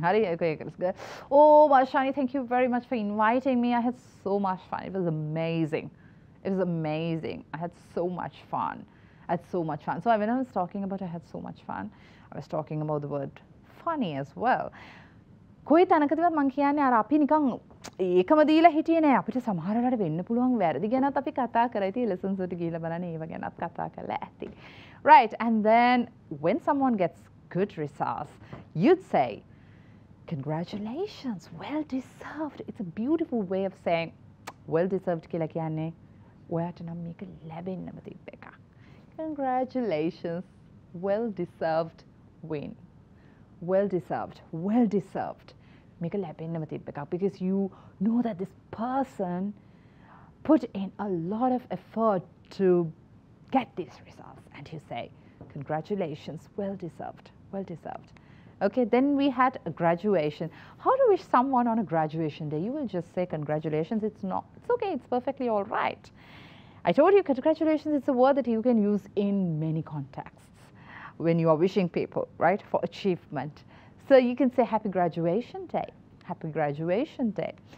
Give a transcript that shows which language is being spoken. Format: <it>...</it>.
<en>Hari, okay, let's go. Oh, Machani, thank you very much for inviting me. I had so much fun. It was amazing. It was amazing. I had so much fun. I had so much fun. So when I was talking about I had so much fun, I was talking about the word funny as well.</en> <si>කොයි තැනකදවත් මං කියන්නේ අර අපි නිකන් ඒකම දීලා හිටියේ නෑ අපිට සමහර වෙලාවට වෙන්න පුළුවන් වැරදි ගැනත් අපි කතා කරයි තියෙන්නේ lessons වලට ගිහිල්ලා බලන්න ඒව ගැනත් කතා කරලා ඇති</si> <en>right and then when someone gets good results you'd say congratulations well deserved it's a beautiful way of saying well deserved</en> <si>කියලා කියන්නේ ඔයාට නම් මේක ලැබෙන්නම තිබ්බ එකක්</si> <en>congratulations well deserved win well deserved, make a lap in the makeup because you know that this person put in a lot of effort to get these results and you say, congratulations, well deserved, okay. Then we had a graduation. How to wish someone on a graduation day? You will just say, congratulations, it's not, it's okay, it's perfectly all right. I told you, congratulations is a word that you can use in many contexts. When you are wishing people, right, for achievement. So you can say happy graduation day, happy graduation day.</en>